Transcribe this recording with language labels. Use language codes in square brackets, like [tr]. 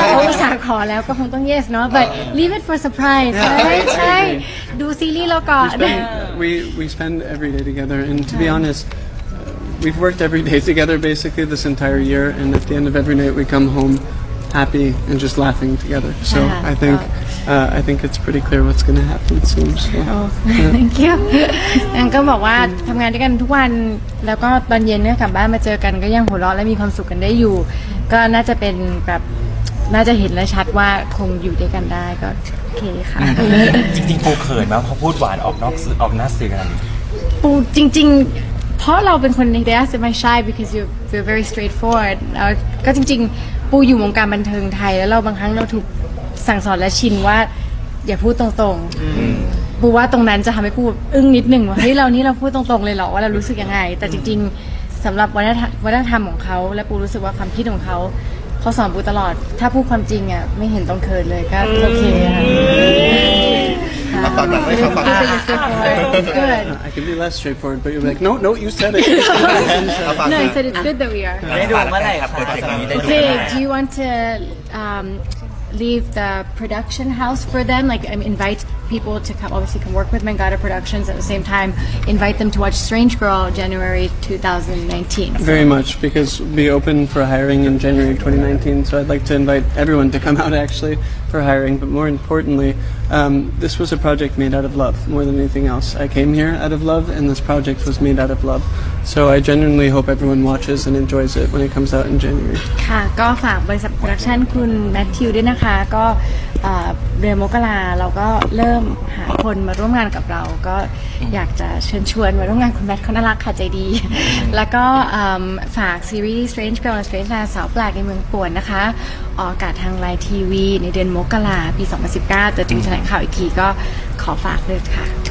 [th] ผู้ชายขอแล้วก็คงต้อง yes เนาะ [en] but leave it for surprise [th] ใช่ดูซีรีส์เราก่อน [en] we spend every day together and to be honestWe've worked every day together basically this entire year and at the end of every night we come home happy and just laughing together. So yeah, I think it's pretty clear what's going to happen soon. So, oh, thank you. [th] And ก็บอกว่าทำงานด้วยกันทุกวันแล้วก็ตอนเย็นเนี่ยกลับบ้านมาเจอกันก็ยังหัวเราะและมีความสุขกันได้อยู่ก็น่าจะเป็นแบบน่าจะเห็นและชัดว่าคงอยู่ด้วยกันได้ก็โอเคค่ะ จริงๆปูเขินไหมเขาพูดหวานออกนอกออกหน้าสื่อกัน ปูจริงๆเพราะเราเป็นคนที่ [en] ask am I shy because you're very straightforward [th] ก็จริงๆปูอยู่วงการบันเทิงไทยแล้วเราบางครั้งเราถูกสั่งสอนและชินว่าอย่าพูดตรงๆปูว่าตรงนั้นจะทำให้ปูอึ้งนิดนึงว่าเฮ้ยเรานี่เราพูดตรงๆเลยเหรอว่าเรารู้สึกยังไงแต่จริงๆสำหรับวัฒนธรรมของเขาและปูรู้สึกว่าความคิดของเขาสอนปูตลอดถ้าพูดความจริงอ่ะไม่เห็นต้องเคินเลยก็โอเคค่ะ [en] I can be less straightforward, but you're like, no, no, you said it. No, I said it's good that we are. Okay, do you want to leave the production house for them? Like, invite people to come, obviously, can work with Mangata Productions at the same time. Invite them to watch Strange Girl January 2019. So. Very much, because we open for hiring in January 2019, so I'd like to invite everyone to come out, actually. For hiring, but more importantly, this was a project made out of love more than anything else. I came here out of love, and this project was made out of love. So I genuinely hope everyone watches and enjoys it when it comes out in January. [th] ค่ะก็ฝากบริษัทโปรดักชันคุณแมทธิวด้วยนะคะก็เดือนมกราเราก็เริ่มหาคนมาร่วมงานกับเราก็อยากจะเชิญชวนมาร่วมงานคุณแมทเขาน่ารักค่ะใจดีแล้วก็ฝากซีรีส์ Strange Girl and Strange Man สาวแปลกในเมืองป่วนนะคะออกอากาศทางไลน์ทีวีในเดือนมกราปี2019จะถึงแถลงข่าวอีกทีก็ขอฝากเลยค่ะ